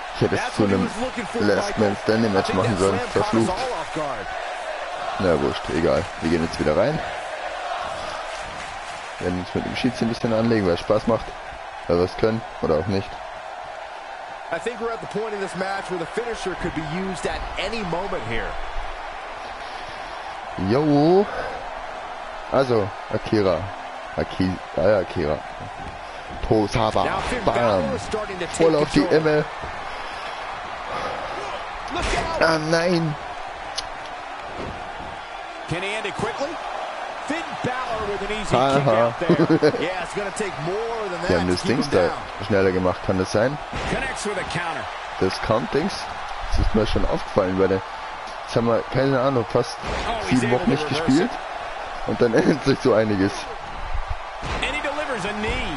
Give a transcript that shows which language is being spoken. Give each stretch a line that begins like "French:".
German: Ich hätte es zu einem Last Man Standing Match machen sollen, verflucht. Na wurscht, egal. Wir gehen jetzt wieder rein. Wir werden uns mit dem Schiedsrichter ein bisschen anlegen, weil es Spaß macht. Weil wir es können, oder auch nicht.
English: I think we're at the point in this match where the finisher could be used at any moment here.
German: Yo. Also, Akira. Akira. Tosawa. Bam. Voll auf die Emme. Ah, nein.
English: Can he end it quickly? Finn Balor with an easy kick out there. Yeah, it's going to take more than that.
German: Die haben das Dings da schneller gemacht, kann das sein?
English: Connects with a counter.
German: Das Count-Dings? Das ist mir schon aufgefallen, weil jetzt haben wir, keine Ahnung, fast 7 Wochen nicht gespielt. Und dann ändert sich so einiges.
English: And he delivers a knee.